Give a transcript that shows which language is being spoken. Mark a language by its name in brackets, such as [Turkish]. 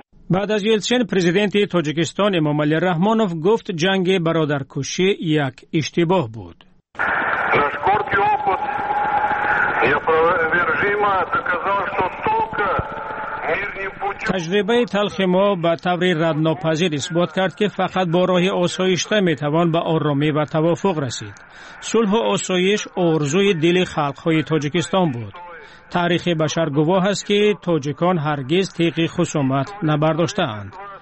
[Persian] بعد از یلچین پرزیدنت تاجیکستان امام علی رحمانوف گفت جنگ برادرکشی یک اشتباه بود. [Russian] Наш горький опыт неопровержимо доказал, что только [Persian] تجربه تلخ ما به طور ردناپذیر اثبات کرد که فقط با راه آسایشته می توان به آرامی و توافق رسید. صلح و آسایش آرزوی دل خلقهای تاجیکستان بود. تاریخ بشر گواه است که تاجیکان هرگز تیغ خصومت نبرداشته اند.